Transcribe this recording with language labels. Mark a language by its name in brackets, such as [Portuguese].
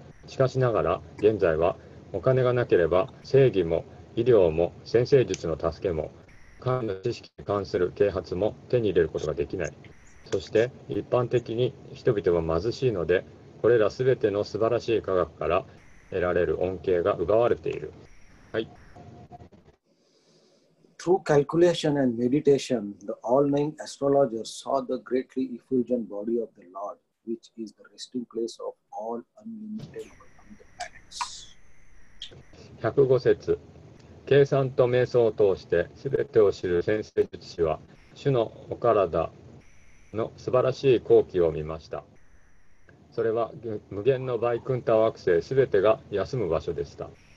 [Japanese] しかしながら現在はお金がなければ正義も医療も占星術の助けも神の知識に関する啓発も手に入れることができない。そして一般的に人々は貧しいので、これらすべての素晴らしい科学から得られる恩恵が奪われている。 [English] Through calculation and meditation, the all-knowing astrologer saw the greatly effulgent body of the Lord, which is the resting place of all unlimited planets. [Japanese] 105節。計算と瞑想を通して全てを知る占星術師は、主のお体の素晴らしい光景を見ました。それは無限のバイクンタ惑星全てが休む場所でした。